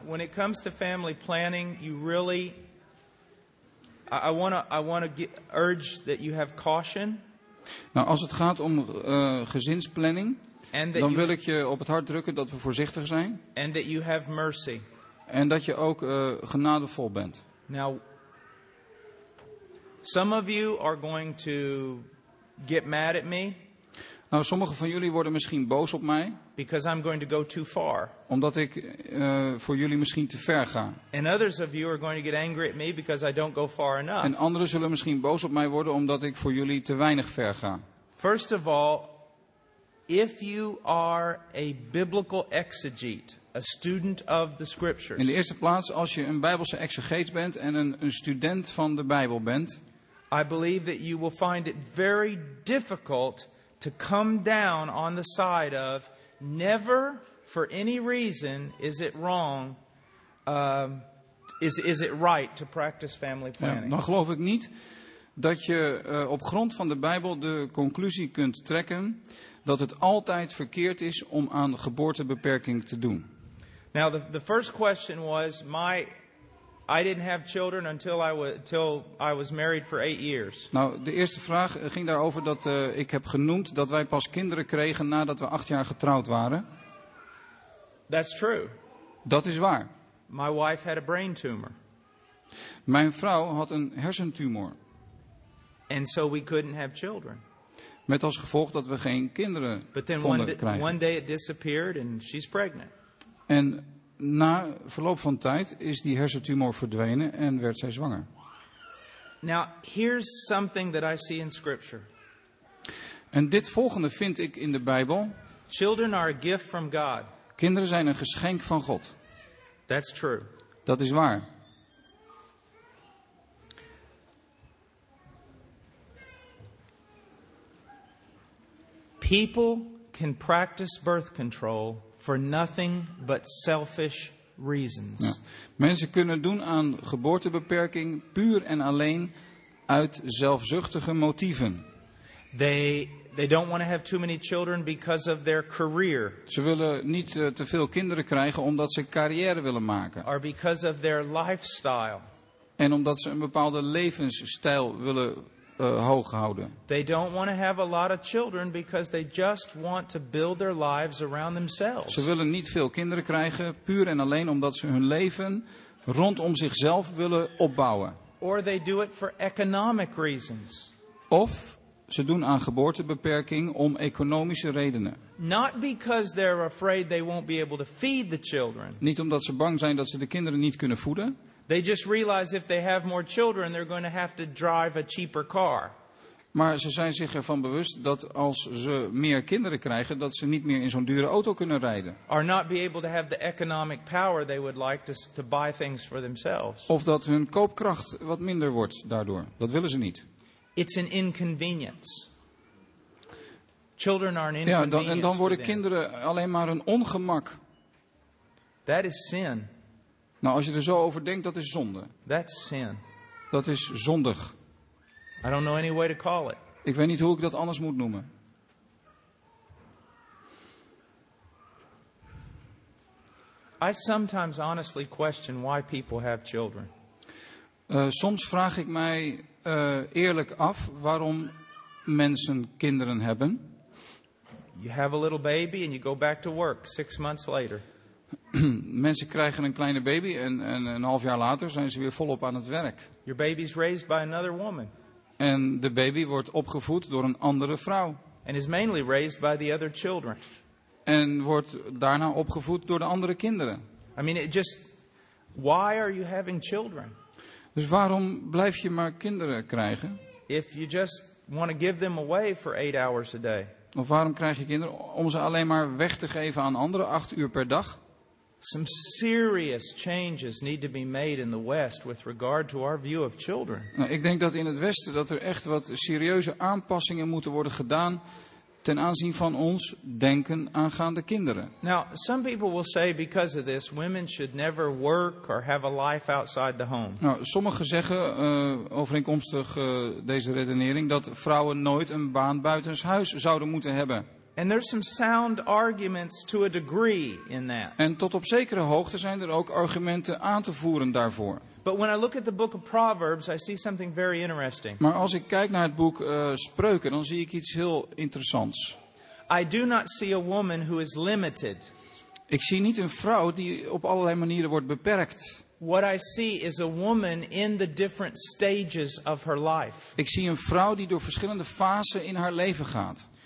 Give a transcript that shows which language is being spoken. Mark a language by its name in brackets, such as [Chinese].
[English] When it comes to family planning, you really I want to urge that you have caution. [Dutch] Nou, als het gaat om gezinsplanning, dan wil ik je op het hart drukken dat we voorzichtig zijn. [English] And that you have mercy. [Dutch] En dat je ook genadevol bent. [English] Now, some of you are going to get mad at me. [Dutch] Nou, sommige van jullie worden misschien boos op mij. [English] Because I'm going to go too far. [Dutch] Omdat ik voor jullie misschien te ver ga. [English] And others of you are going to get angry at me because I don't go far enough. [Dutch] En anderen zullen misschien boos op mij worden omdat ik voor jullie te weinig ver ga. [English] First of all, if you are a biblical exegete, a student of the scriptures. [Dutch] In de eerste plaats, als je een Bijbelse exegeet bent en een student van de Bijbel bent, [English] I believe that you will find it very difficult to come down on the side of never for any reason is it wrong, is it right to practice family planning. [Dutch] Ja, dan geloof ik niet dat je op grond van de Bijbel de conclusie kunt trekken dat het altijd verkeerd is om aan geboortebeperking te doen. [English] Now the first question was I didn't have children until I was married for 8 years. [Dutch] Nou, de eerste vraag ging daarover dat ik heb genoemd dat wij pas kinderen kregen nadat we 8 jaar getrouwd waren. [English] That's true. [Dutch] Dat is waar. [English] My wife had a brain tumor. [Dutch] Mijn vrouw had een hersentumor. [English] And so we couldn't have children. [Dutch] Met als gevolg dat we geen kinderen konden krijgen. [English] One day it disappeared and she's pregnant. [Dutch] En na verloop van tijd is die hersentumor verdwenen en werd zij zwanger. [English] Now, here's something that I see in scripture. [Dutch] En dit volgende vind ik in de Bijbel. [English] Children are a gift from God. [Dutch] Kinderen zijn een geschenk van God. [English] That's true. [Dutch] Dat is waar. [English] People can practice birth control for nothing but selfish reasons. [Dutch] Ja. Mensen kunnen doen aan geboortebeperking puur en alleen uit zelfzuchtige motieven. [English] They don't want to have too many children because of their career. [Dutch] Ze willen niet te veel kinderen krijgen omdat ze carrière willen maken. [English] Or because of their lifestyle. [Dutch] En omdat ze een bepaalde levensstijl willen hoog houden. [English] They don't want to have a lot of children because they just want to build their lives around themselves. [Dutch] Ze willen niet veel kinderen krijgen, puur en alleen omdat ze hun leven rondom zichzelf willen opbouwen. [English] Or they do it for economic reasons. [Dutch] Of ze doen aan geboortebeperking om economische redenen. [English] Not because they're afraid they won't be able to feed the children. [Dutch] Niet omdat ze bang zijn dat ze de kinderen niet kunnen voeden. [English] They just realize if they have more children, they're going to have to drive a cheaper car. [Dutch] Maar ze zijn zich ervan bewust dat als ze meer kinderen krijgen, dat ze niet meer in zo'n dure auto kunnen rijden. [English] Or not be able to have the economic power they would like to buy things for themselves. [Dutch] Of dat hun koopkracht wat minder wordt daardoor. Dat willen ze niet. [English] It's an inconvenience. Children are an inconvenience. [Dutch] Ja, dan worden kinderen alleen maar een ongemak. [English] That is sin. [Dutch] Nou, als je er zo over denkt, dat is zonde. [English] That's sin. [Dutch] Dat is zondig. [English] I don't know any way to call it. [Dutch] Ik weet niet hoe ik dat anders moet noemen. [English] I sometimes honestly question why people have children. [Dutch] Soms vraag ik mij eerlijk af waarom mensen kinderen hebben. [English] You have a little baby and you go back to work 6 months later. [Dutch] Mensen krijgen een kleine baby en een half jaar later zijn ze weer volop aan het werk. [English] Your baby's raised by another woman. [Dutch] En de baby wordt opgevoed door een andere vrouw. [English] And is mainly raised by the other children. [Dutch] En wordt daarna opgevoed door de andere kinderen. [English] I mean, why are you having children? [Dutch] Dus waarom blijf je maar kinderen krijgen? [English] If you just want to give them away for 8 hours a day. [Dutch] Of waarom krijg je kinderen om ze alleen maar weg te geven aan anderen 8 uur per dag? [English] Some serious changes need to be made in the West with regard to our view of children. [Dutch] Nou, ik denk dat in het Westen dat er echt wat serieuze aanpassingen moeten worden gedaan ten aanzien van ons denken aangaande kinderen. [English] Now, some people will say because of this, women should never work or have a life outside the home. [Dutch] Nou, sommigen zeggen overeenkomstig deze redenering dat vrouwen nooit een baan buitenshuis zouden moeten hebben. [English] And there's some sound arguments to a degree in that. [Dutch] En tot op zekere hoogte zijn er ook argumenten aan te voeren daarvoor. [English] But when I look at the book of Proverbs, I see something very interesting. [Dutch] Maar als ik kijk naar het boek Spreuken, dan zie ik iets heel interessants. [English] I do not see a woman who is limited. [Dutch] Ik zie niet een vrouw die op allerlei manieren wordt beperkt. [English] What I see is a woman in the different stages of her life. [Dutch] Ik zie een vrouw die door verschillende fasen in haar leven gaat.